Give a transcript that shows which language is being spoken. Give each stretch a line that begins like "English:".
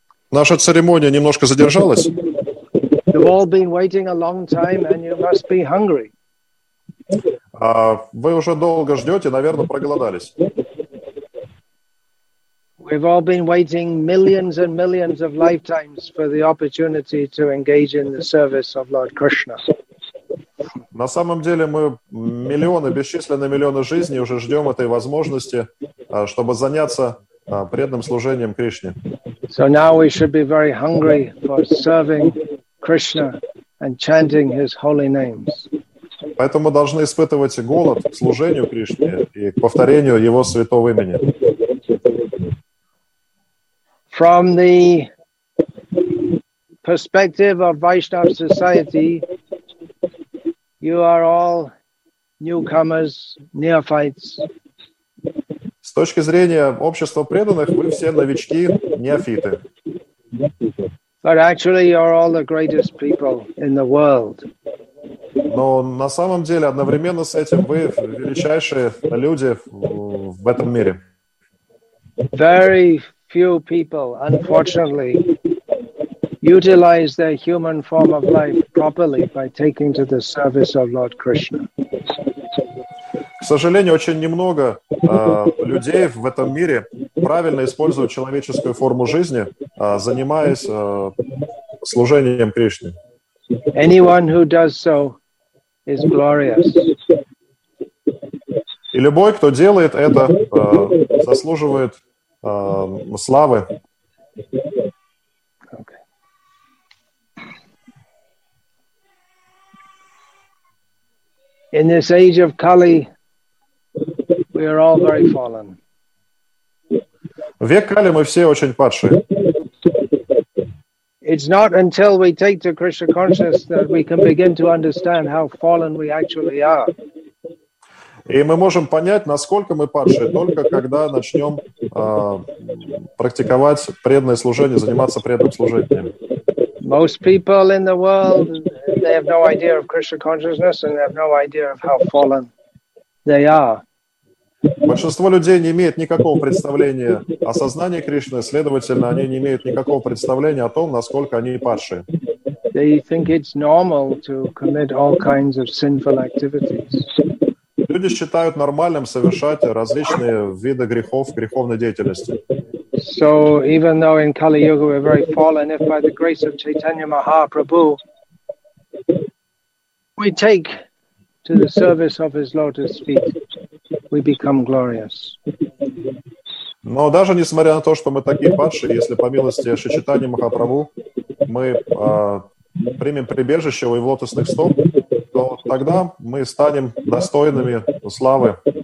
Russian: Наша церемония немножко задержалась.
English: You've all been waiting a long time and you must be hungry.
Russian: Вы уже долго ждете, наверное, проголодались.
English: We've all been waiting millions and millions of lifetimes for the opportunity to engage in the service of Lord Krishna.
Russian: На самом деле мы миллионы, бесчисленные миллионы жизней уже ждем этой возможности, чтобы заняться преданным служением Кришне.
English: So now we should be very hungry for serving Krishna and chanting his holy names.
Russian: Поэтому мы должны испытывать голод к служению Кришне и к повторению его святого имени.
English: From the perspective of Vaishnava society, you are all newcomers, neophytes.
Russian: С точки зрения общества преданных, вы все новички, неофиты.
English: But actually, you are all the greatest people in the world.
Russian: Но на самом деле, одновременно с этим, вы величайшие люди в этом мире.
English: Very few people, unfortunately, utilize their human form of life properly by taking to the service of Lord Krishna.
Russian: К сожалению, очень немного людей в этом мире правильно используют человеческую форму жизни, занимаясь служением Кришне.
English: Anyone who does so is glorious.
Russian: И любой, кто делает это, заслуживает славы.
English: Okay. In this age of Kali, we are all very fallen.
Russian: В век Кали мы все очень падшие.
English: It's not until we take to Krishna consciousness that we can begin to understand how fallen we actually are.
Russian: И мы можем понять, насколько мы падшие, только когда начнем практиковать преданное служение, заниматься преданным служением.
English: Most people in the world, they have no idea of Krishna consciousness and they have no idea of how fallen they are.
Russian: Большинство людей не имеет никакого представления о сознании Кришны, следовательно, они не имеют никакого представления о том, насколько они падшие.
English: They think it's normal to commit all kinds of sinful activities.
Russian: Люди считают нормальным совершать различные виды грехов, греховной деятельности.
English: So even though in Kali Yuga we're very fallen, if by the grace of Chaitanya Mahaprabhu we take to the service of his lotus feet, we become glorious.
Russian: Но даже несмотря на то, что мы такие падшие, если по милости Шри Чайтаньи Махапрабху мы примем прибежище у его лотосных стоп, то тогда мы станем достойными славы.